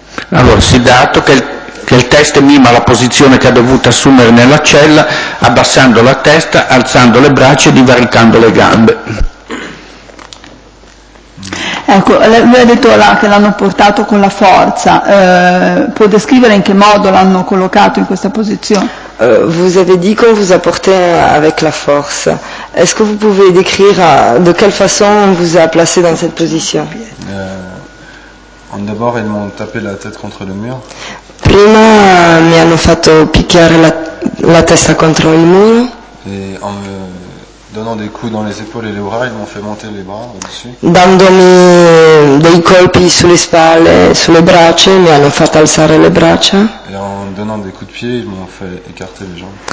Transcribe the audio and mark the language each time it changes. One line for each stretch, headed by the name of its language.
Italian: Allora, sì, dato che il test mima la posizione che ha dovuto assumere nella cella, abbassando la testa, alzando le braccia e divaricando le gambe. Ecco, lui ha detto là che l'hanno portato con la forza. Può descrivere in che modo l'hanno collocato in questa posizione?
French: Vous avez dit qu'on vous a porté avec la force. Est-ce que vous pouvez décrire de quelle façon on vous a placé dans cette position? D'abord, ils m'ont tapé la tête contre le mur.
Italian: Prima mi hanno fatto picchiare la testa contro il muro.
French: E en me donnant des coups dans les épaules et les bras, ils m'ont fait monter les bras au-dessus.
Italian: Dandomi dei colpi sulle spalle, sulle braccia, mi hanno fatto alzare le braccia.
French: E en donnant des coups de pied, ils m'ont fait écarter les jambes.